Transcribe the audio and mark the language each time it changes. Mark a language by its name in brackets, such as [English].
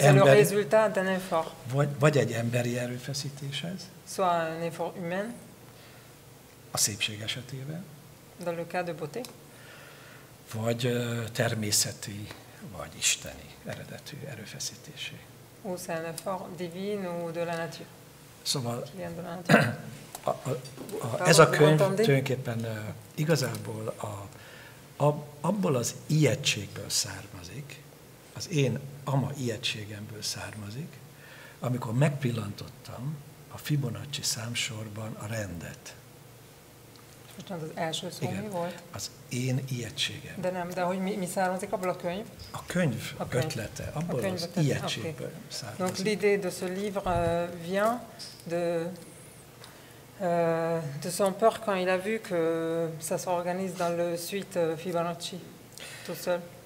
[French] ember. Le résultat d'un effort. [Hungarian] Vagy egy emberi erőfeszítéshez. [French] Soit un effort humain. [Hungarian] A szépség esetében. [French] Dans le cas de beauté. [Hungarian] Vagy természeti, vagy isteni eredetű erőfeszítésé. [French] Ou c'est un effort divin ou de la nature. [Hungarian] Szóval... [French] Qui vient de la nature. [Hungarian] Ez a könyv tulajdonképpen igazából abból az ijegységből származik, az én ama ijegységemből származik, amikor megpillantottam a Fibonacci számsorban a rendet. Bocsánat, az első szó igen, mi volt? Az én ijegységem. De nem, de hogy mi származik abból a könyv? A könyv, a könyv ötlete, abból a könyv az ijegységből okay származik. [French] Donc l'idée de ce livre vient de de son peur quand il a vu que ça s'organise dans le suite Fibonacci, tout seul.